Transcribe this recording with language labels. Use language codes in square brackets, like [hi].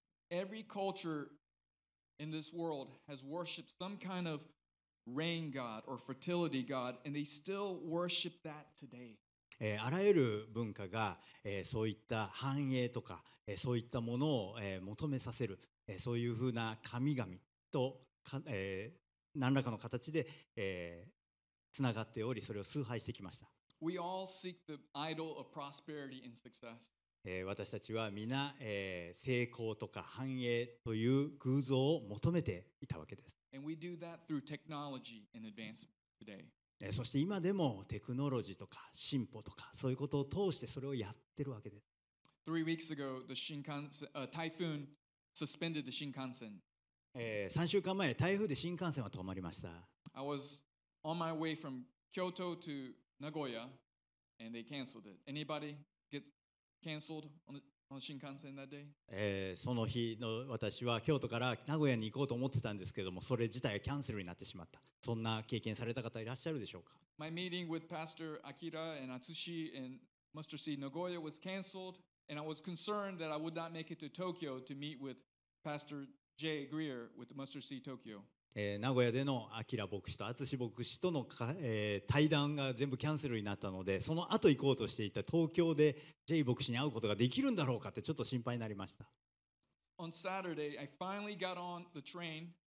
[en] Every culture in this world has worshipped some kind of rain god or fertility god, and they still worship that today. [ja] あらゆる文化が、そういった繁栄とか、そういったものを、求めさせる、そういうふうな神々と、何らかの形で、つながっており、それを崇拝してきました。 [en] We all seek the idol of prosperity and success. [ja] 私たちは皆、成功とか繁栄という偶像を求めていたわけです。 [en] And we do that through technology and advancement today. [ja] そして今でもテクノロジーとか進歩とかそういうことを通してそれをやってるわけです。 [en] 3 weeks ago, the Shinkansen, typhoon suspended the Shinkansen. [ja] 3週間前、台風で新幹線は止まりました。 [en] I was on my way from Kyoto to Nagoya and they canceled it. Anybody get canceled on the Shinkansen that day? [ja] その日の私は京都から名古屋に行こうと思ってたんですけども、それ自体がキャンセルになってしまった。そんな経験された方いらっしゃるでしょうか。 [en] My meeting with Pastor Akira and Atsushi and Mr. C. Nagoya was canceled, and I was concerned that I would not make it to Tokyo to meet with Pastor J. Greer with Mr. C. Tokyo. [ja] 名古屋でのアキラ牧師とアツシ牧師との、対談が全部キャンセルになったので、その後行こうとしていた東京で J. 牧師に会うことができるんだろうかってちょっと心配になりました。 [en] On Saturday, I finally got on the train.